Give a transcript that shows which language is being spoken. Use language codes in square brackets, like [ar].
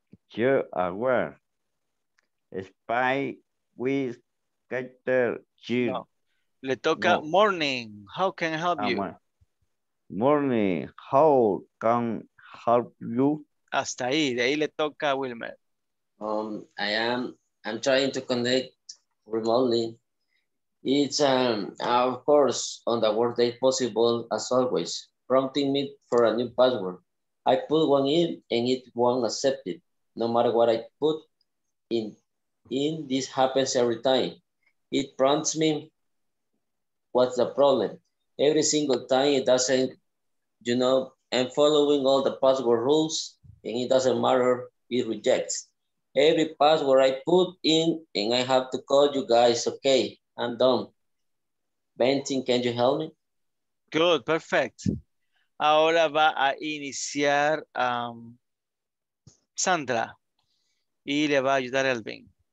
[en] You are where? Spy with cutter. You. No. [es] Le toca, no, [en] morning. How can I help you? Morning, how can help you? [es] Hasta ahí, de ahí le toca a Wilmer. [en] I'm trying to connect remotely. It's of course on the worst day possible as always, prompting me for a new password. I put one in and it won't accept it. No matter what I put in, this happens every time. It prompts me, what's the problem? Every single time it doesn't. You know, I'm following all the password rules and it doesn't matter, it rejects. Every password I put in and I have to call you guys, okay, I'm done. Venting, can you help me? Good, perfect. [es] Ahora va a iniciar Sandra y le va a ayudar Elvin.